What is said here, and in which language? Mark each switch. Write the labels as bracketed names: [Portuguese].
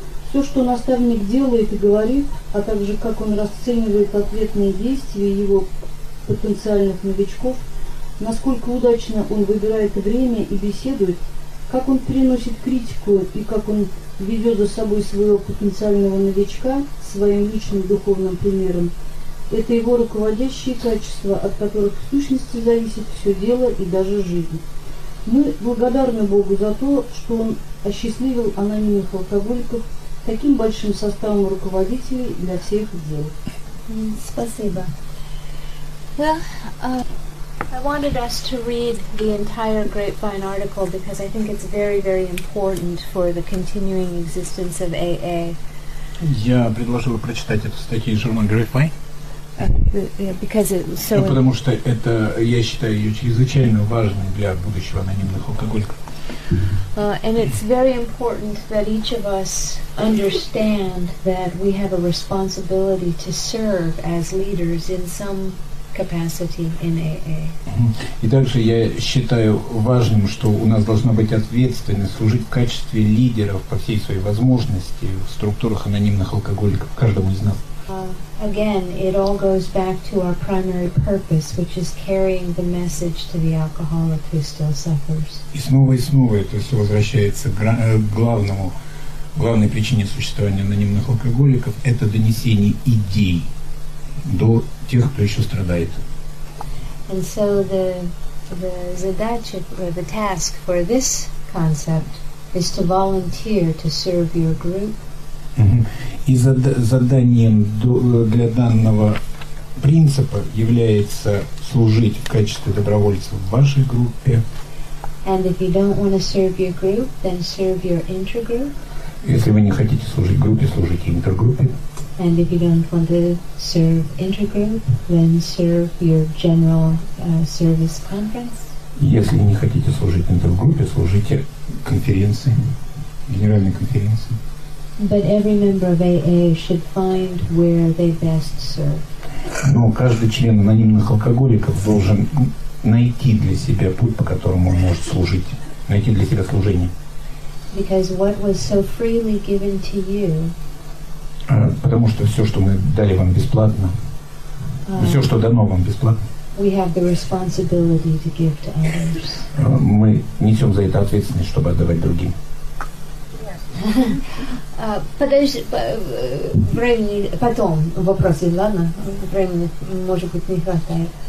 [Russian] Все, что наставник делает и говорит, а также как он расценивает ответные действия его потенциальных новичков, насколько удачно он выбирает время и беседует, как он переносит критику и как он ведет за собой своего потенциального новичка своим личным духовным примером, это его руководящие качества, от которых в сущности зависит все дело и даже жизнь. Мы благодарны Богу за то, что он осчастливил анонимных алкоголиков таким большим составом руководителей для всех дел. Спасибо. [English] I wanted us to read the entire Grapevine article because I think it's very, very important for the continuing existence of AA. [Russian] Я предложила прочитать эту статью из журнала Grapevine. [English] Because it's so. [Russian] Потому что это, я считаю, ее чрезвычайно важным для будущего анонимных алкоголиков. [English] And it's very important that each of us understand that we have a responsibility to serve as leaders in some capacity in AA. [Russian] И также я считаю важным, что у нас должна быть ответственность служить в качестве лидеров по всей своей возможности в структурах анонимных алкоголиков, каждому из нас. [English] Again, it all goes back to our primary purpose, which is carrying the message to the alcoholic who still suffers. [Russian] И снова это все возвращается к главному, главной причине существования анонимных алкоголиков – это донесение идей до тех, кто еще страдает. [English] And so the задача, or the task for this concept is to volunteer to serve your group. [Russian] И заданием для данного принципа является служить в качестве добровольца в вашей группе. [English] And if you don't want to serve your group, then serve your intergroup. [Russian] Если вы не хотите служить группе, служите интергруппе. [English] And if you don't want to serve intergroup, then serve your general service conference. [Russian] Если не хотите служить интергруппе, служите конференции, генеральной конференции. [English] But every member of AA should find where they best serve. [Russian] Но каждый член анонимных алкоголиков должен найти для себя путь, по которому он может служить найти для себя служение. [English] Because what was so freely given to you, [Russian] потому что все, что мы дали вам бесплатно, все, что дано вам бесплатно, [English] we have the responsibility to give to others. [Russian] Мы несем за это ответственность, чтобы отдавать другим. Подожди, времени потом вопросы, ладно? Времени, может быть, не хватает.